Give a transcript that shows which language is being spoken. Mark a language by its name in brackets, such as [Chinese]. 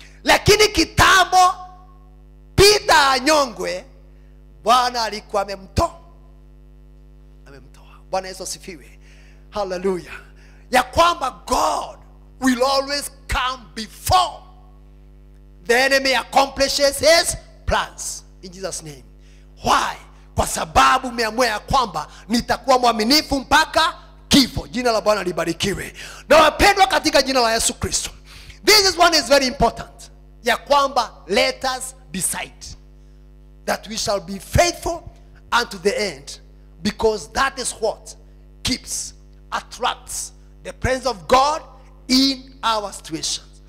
[Swahili] Lakini kitambo Peter anyongwe, Bwana alikuwa amemtoa. Bwana Yesu asifiwe. Hallelujah. Ya kwamba [English] God will always come before the enemy accomplishes his plans. In Jesus' name. Why? [Swahili] Kwa sababu umeamua ya kwamba nitakuwa mwaminifu mpaka kifo. Jina la Bwana libarikiwe. Na wapendwa katika jina la Yesu Kristo. [English] This is one is very important. [Swahili] Ya kwamba [English] let us decide that we shall be faithful unto the end, because that is what keeps, attracts the presence of God in our situation.